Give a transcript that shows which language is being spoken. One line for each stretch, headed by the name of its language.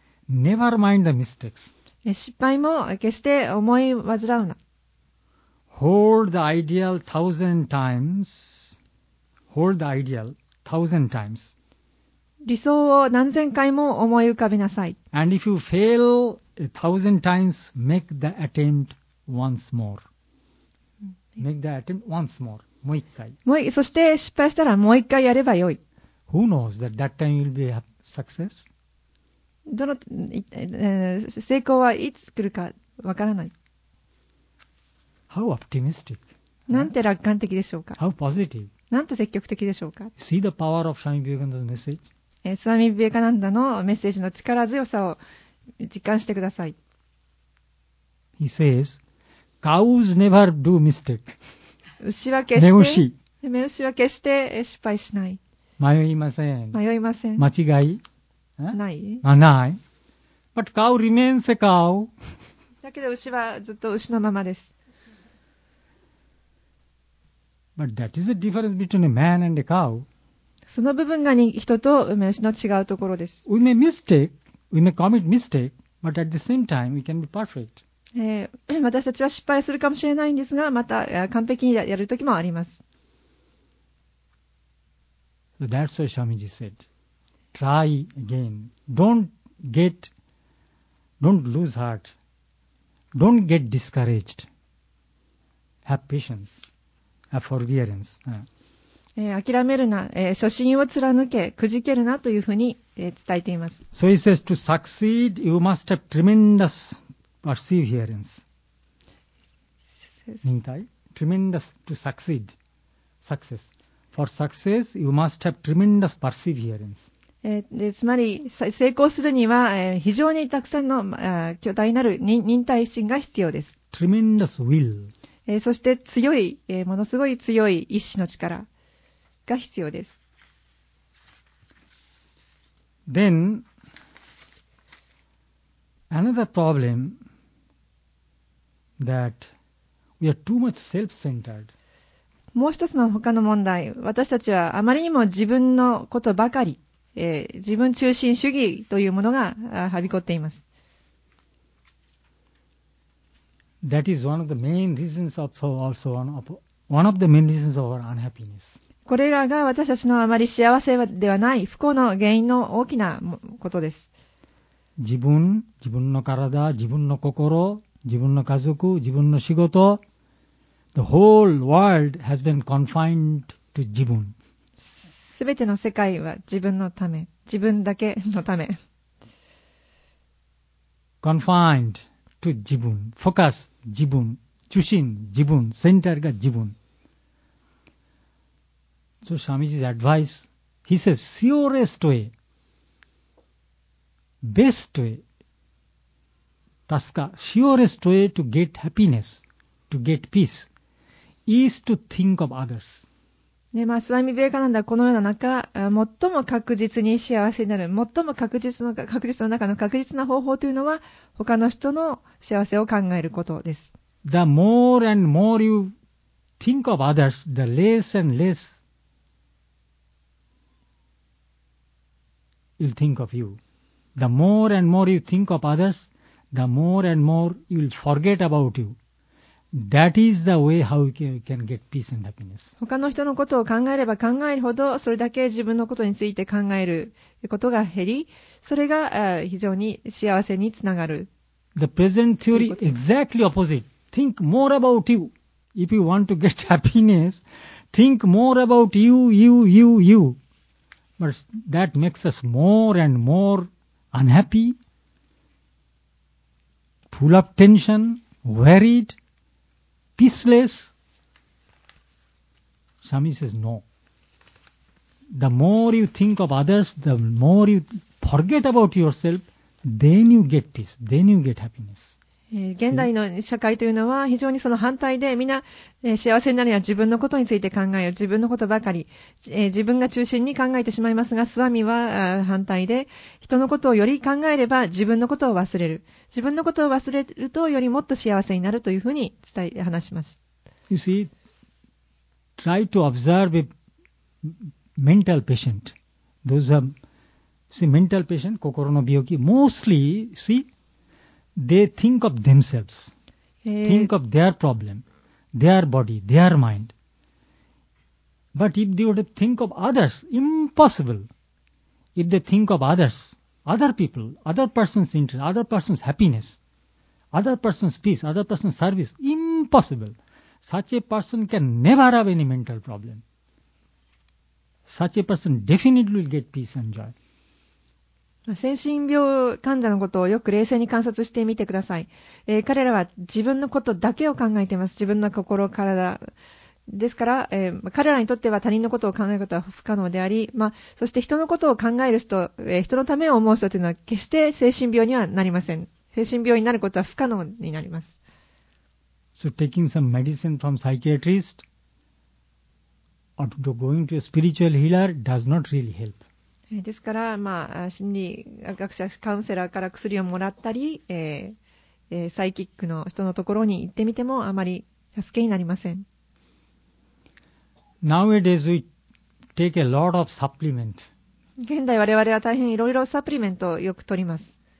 English: Never mind the mistakes.
Japanese: 失敗も決して思い煩うな。
English: Hold the ideal 1,000 times. Hold the ideal 1,000 times.
Japanese: 理想を何千回も思い浮かべなさい。
English: And if you fail 1,000 times, make the attempt once more. Make the attempt once more.
Japanese: もう一回。そして失敗したらもう一回やればよい。
English: Who knows that that time will be a success?
Japanese: どの、成功はいつ来るかわからない。
English: How optimistic.
Japanese: なんて楽観的でしょうか。
English: How positive.
Japanese: なんて積極的でしょうか。
English: See the power of Swami Vivekananda's message?
Japanese: スワミ・ビベカナンダのメッセージの力強さを実感してください。
English: He says, cows never do mistake.
Japanese: 牛は決して、牛は決して失敗しない。迷いません。間違い？ない。ない。
English: But cow remains a cow.
Japanese: だけど牛はずっと牛のままです。
English: But that is the difference between a man and a cow.
Japanese: その部分が人と梅牛の違うところです。
English: We may mistake, we may commit mistake, but at the same time, we can be perfect.
Japanese: 私たちは失敗するかもしれないんですが、また完璧にやるときもあります。
English: So that's what Swamiji said. Try again. Don't lose heart. Don't get discouraged. Have patience. Have forbearance.
Japanese: 諦めるな、初心を貫け、くじけるなというふうに、伝えています。
English: So he says, to succeed, you must have tremendous perseverance. 忍耐? Tremendous to succeed. Success. For success, you must have tremendous perseverance.
Japanese: でつまり成功するには非常にたくさんの巨大なる忍耐心が必要です。
English: Tremendous will.
Japanese: そして強い、ものすごい強い意志の力が必要です。
English: Then another problem that we are too much self-centered.
Japanese: もう一つの他の問題、私たちはあまりにも自分のことばかり、自分中心主義というものがはびこっています。
English: That is one of the main reasons of also one of the main reasons of our unhappiness.
Japanese: これらが私たちのあまり幸せではない不幸の原因の大きなことです。自分の体、自分の心、自分の家族、自分の仕事、
English: The whole world has been confined to
Japanese: 自分。すべての世界は自分のため、自分だけのため。
English: Confined to
Japanese: 自分、Focus 自分、中心自分、Center が自分。
English: So Swamiji's advice, he says, surest way, best way, taska, surest way to get happiness, to get peace, is to think of others.
Japanese: ね、まあ、スワミ・ビベカナンダはこのような中、最も確実に幸せになる、最も確実の方法というのは、他の人の幸せを考えることです。
English: The more and more you think of others, the less and less you'll think of you. The more and more you think of others, the more and more you'll forget about you. That is the way how you can get peace and happiness. 他の人のことを考えれば考えるほど、それだけ自分のことについて考えることが減り、それが非常に幸せにつながる。 The present theory exactly opposite. Think more about you. If you want to get happiness, think more about you, you, you, you. But that makes us more and more unhappy, full of tension, worried,Peaceless, Swami says no. The more you think of others, the more you forget about yourself, then you get peace, then you get happiness.
Japanese: 現代の社会というのは非常にその反対で、みんな幸せになるには自分のことについて考えよう、自分のことばかり、自分が中心に考えてしまいますが、スワミは反対で、人のことをより考えれば自分のことを忘れる。自分のことを忘れるとよりもっと幸せになるというふうに話します。
English: You see, try to observe a mental patient. Those are, see, mental patient, 心の病気、mostly, see,They think of themselves, think of their problem, their body, their mind. But if they would think of others, impossible. If they think of others, other people, other person's interest, other person's happiness, other person's peace, other person's service, impossible. Such a person can never have any mental problem. Such a person definitely will get peace and joy.
Japanese: 精神病患者のことをよく冷静に観察してみてください。彼らは自分のことだけを考えています。自分の心、体。ですから、彼らにとっては他人のことを考えることは不可能であり、まあ、そして人のことを考える人、人のためを思う人というのは決して精神病にはなりません。精神病になることは不可能になります。
English: So taking some medicine from psychiatrist or going to a spiritual healer does not really help.
Japanese: ですから、まあ、心理学者、カウンセラーから薬をもらったり、サイキックの人のところに行ってみてもあまり助けになりません。
English: Nowadays we take a lot of supplement.
Japanese: 現代我々は大変いろいろサプリメントをよく取ります。